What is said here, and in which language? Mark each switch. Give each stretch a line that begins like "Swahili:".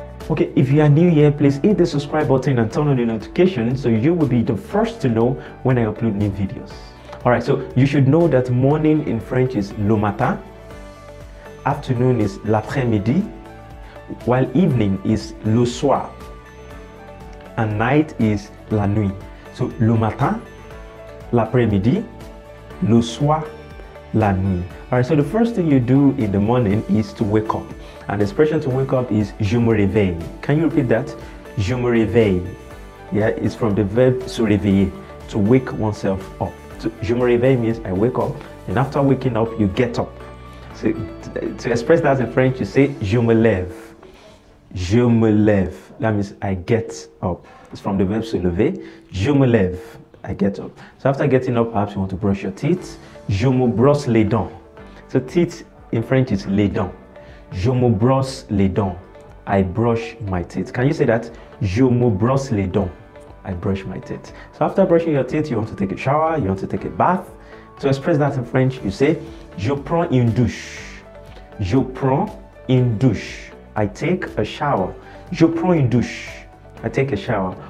English: Okay, if you are new here, please hit the subscribe button and turn on the notification so you will be the first to know when I upload new videos. Alright, so you should know that morning in French is
French: le matin,
English: afternoon is
French: l'après-midi,
English: while evening is
French: le soir,
English: and night is
French: la nuit.
English: So
French: le matin, l'après-midi, le soir, la nuit.
English: Alright, so the first thing you do in the morning is to wake up. And the expression to wake up is
French: je me réveille.
English: Can you repeat that?
French: Je me réveille.
English: Yeah, it's from the verb se réveiller, to wake oneself up. So,
French: je me réveille
English: means I wake up, and after waking up, you get up. So to express that in French, you say
French: je me lève. Je me lève.
English: That means I get up. It's from the verb se lever. Je me lève. I get up. So after getting up, perhaps you want to brush your teeth.
French: Je me brosse les dents.
English: So teeth in French is les dents.
French: Je me brosse les dents.
English: I brush my teeth. Can you say that?
French: Je me brosse les dents.
English: I brush my teeth. So after brushing your teeth, you want to take a shower, you want to take a bath. To express that in French, you say,
French: je prends une douche. Je prends une douche.
English: I take a shower.
French: Je prends une douche.
English: I take a shower.